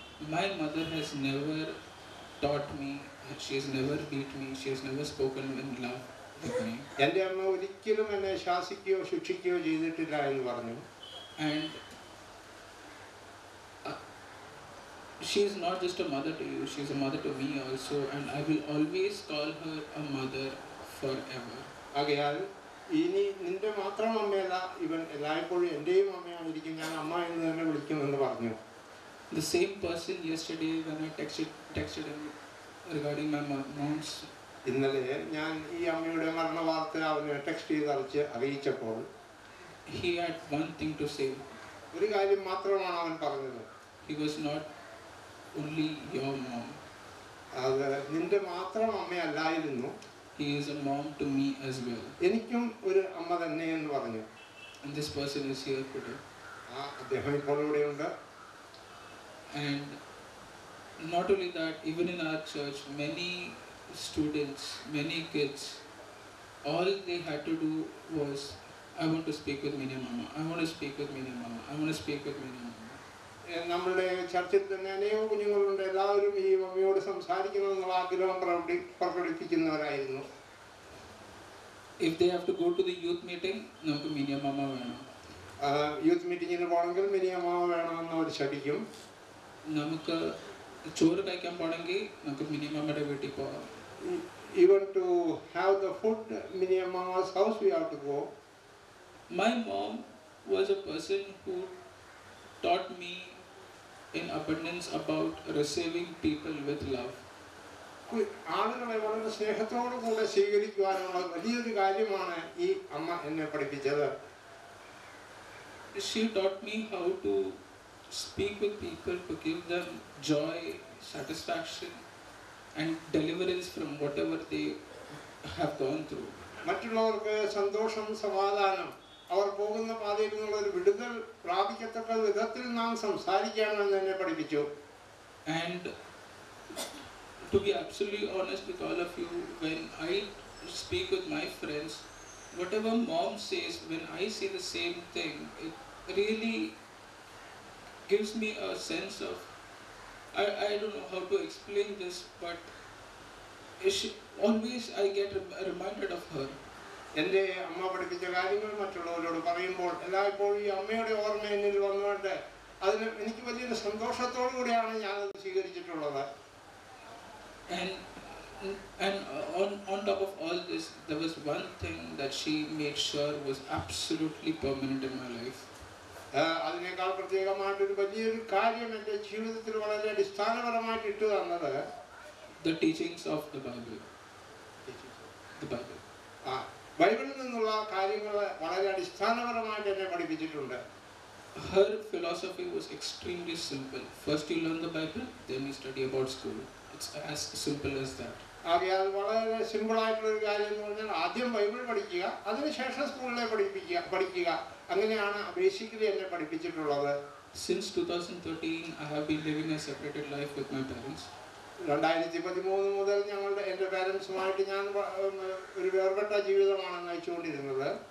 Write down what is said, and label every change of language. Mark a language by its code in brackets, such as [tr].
[en] My mother has never taught me, she has never beat me, she has never spoken in love. [ml] എൻ്റെ അമ്മ ഒരിക്കലും എന്നെ ശാസിക്കുകയോ ശിക്ഷിക്കുകയോ ചെയ്തിട്ടില്ല എന്ന് പറഞ്ഞു. [en] And she is not just a mother to you, she is a mother to me also, and I will always call her a mother forever. [ml] ആകയാൽ ഇനി നിന്റെ മാത്രം അമ്മയല്ല, ഇവൻ എല്ലായ്പ്പോഴും എൻ്റെയും അമ്മയായിരിക്കും, ഞാൻ അമ്മ എന്ന് തന്നെ വിളിക്കുമെന്ന് പറഞ്ഞു. [en] The same person yesterday when I texted him regarding my mom's [ml] ഇന്നലെ ഞാൻ ഈ അമ്മയുടെ മരണ വാർത്ത അവന് ടെക്സ്റ്റ് ചെയ്ത് അറിച്ച് അറിയിച്ചപ്പോൾ [en] He had one thing to say. [ml] ഒരു കാര്യം മാത്രമാണ് അവൻ പറഞ്ഞത്. [en] He was not only your mom. [ml] അത് നിന്റെ മാത്രം അമ്മയല്ലായിരുന്നു, [en] He is a mom to me as well. [ml] എനിക്കും ഒരു അമ്മ തന്നെ എന്ന് പറഞ്ഞു. [en] And this person is here today. [ml] ആ അദ്ദേഹം ഇപ്പോൾ ഇവിടെയുണ്ട്. [en] And not only that even in our church many students, many kids, all they had to do was, I want to speak with Minya Mama, I want to speak with Minya Mama, I want to speak with Minya Mama. [ml] നമ്മുടെ ചർച്ചിൽ തന്നെ അനേകം കുഞ്ഞുങ്ങളുണ്ട്, എല്ലാവരും ഈ മമ്മിയോട് സംസാരിക്കണം എന്നുള്ള ആഗ്രഹം പ്രകടിപ്പിക്കുന്നവരായിരുന്നു. [en] If they have to go to the youth meeting, [ml] നമുക്ക് മിനിയ മാമ വേണം. യൂത്ത് മീറ്റിങ്ങിന് പോകണമെങ്കിൽ മിനിയ മാമ വേണമെന്ന് അവർ ശഠിക്കും. നമുക്ക് ചോറ് കഴിക്കാൻ പോകണമെങ്കിൽ നമുക്ക് മിനിയ മാമയുടെ വീട്ടിൽ പോകാം. [en] Even to have the food Minya Mama's house we have to go. My mom was a person who taught me in abundance about receiving people with love. [ml] ആളുകളെ വളരെ സ്നേഹത്തോടു കൂടെ സ്വീകരിക്കുവാനുള്ള വലിയൊരു കാര്യമാണ് ഈ അമ്മ എന്നെ പഠിപ്പിച്ചത്. [en] She taught me how to speak with people to give them joy, satisfaction and deliverance from whatever they have gone through. [ml] മറ്റുള്ളവർക്ക് സന്തോഷം, സമാധാനം, അവർ പോകുന്ന പാതയിൽ നിന്നുള്ള ഒരു വിടുതൽ പ്രാപിക്കത്തക്ക വിധത്തിൽ നാം സംസാരിക്കണമെന്ന് എന്നെ പഠിപ്പിച്ചു. [en] And to be absolutely honest with all of you, when I speak with my friends, whatever mom says, when I say the same thing, it really gives me a sense of I don't know how to explain this, but always I get reminded of her. [ml] എൻ്റെ അമ്മ പഠിപ്പിച്ച കാര്യങ്ങൾ മറ്റുള്ളവരോട് പറയുമ്പോൾ എല്ലായ്പ്പോഴും ഈ അമ്മയുടെ ഓർമ്മ എന്നിൽ വന്നുകൊണ്ട് അതിന് എനിക്ക് വലിയൊരു സന്തോഷത്തോടു കൂടിയാണ് ഞാനത് സ്വീകരിച്ചിട്ടുള്ളത്. [en] And on top of all this, there was one thing that she made sure was absolutely permanent in my life. [ml] അതിനേക്കാൾ പ്രത്യേകമായിട്ട് ഒരു വലിയൊരു കാര്യം എൻ്റെ ജീവിതത്തിൽ വളരെ അടിസ്ഥാനപരമായിട്ട് ഇട്ടു തന്നത് [en] The teachings of the Bible. ആ [ml] ബൈബിളിൽ നിന്നുള്ള കാര്യങ്ങൾ വളരെ അടിസ്ഥാനപരമായിട്ട് എന്നെ പഠിപ്പിച്ചിട്ടുണ്ട്. [en] Her philosophy was extremely simple. First you learn the Bible, then you study about school. It's as simple as that. [ml] ആകയാൽ വളരെ സിമ്പിളായിട്ടുള്ള ഒരു കാര്യം എന്ന് പറഞ്ഞാൽ ആദ്യം ബൈബിൾ പഠിക്കുക, അതിനുശേഷം സ്കൂളിലെ പഠിക്കുക. അങ്ങനെയാണ് ബേസിക്കലി എന്നെ പഠിപ്പിച്ചിട്ടുള്ളത്. [en] Since 2013, I have been living a separated life with my parents. [ml] 2013 മുതൽ ഞങ്ങളുടെ എൻ്റെ പാരൻസുമായിട്ട് ഞാൻ ഒരു വേർപെട്ട ജീവിതമാണ് നയിച്ചുകൊണ്ടിരുന്നത്.